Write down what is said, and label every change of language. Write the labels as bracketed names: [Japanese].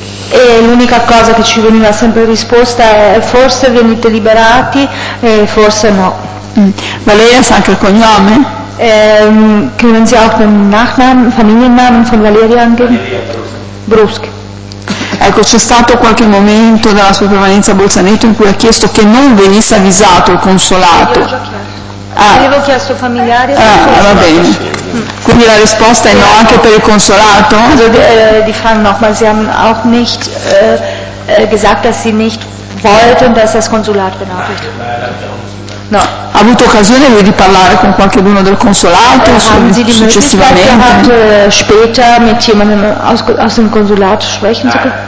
[Italian] E l'unica cosa che ci veniva sempre risposta è: forse venite liberati e forse no. Ma lei sa anche il cognome? [German] Können Sie auch den Nachnamen, Familiennamen von Valeria angeben? [Italian] Valeria Bruschi. Ecco, c'è stato qualche momento della sua permanenza a Bolzaneto in cui ha chiesto che non venisse avvisato il consolato? Avevo chiesto familiari. Va bene. Quindi la risposta è no anche per il consolato? [German] Die Frage noch, ma sie haben auch nicht gesagt, dass sie nicht wollten, dass das Konsulat benachrichtigt. [Italian] No. Ha avuto occasione lui di parlare con qualcuno del consolato successivamente? Haben Sie die Möglichkeit gehabt, später mit jemandem aus dem Konsulat sprechen zu können?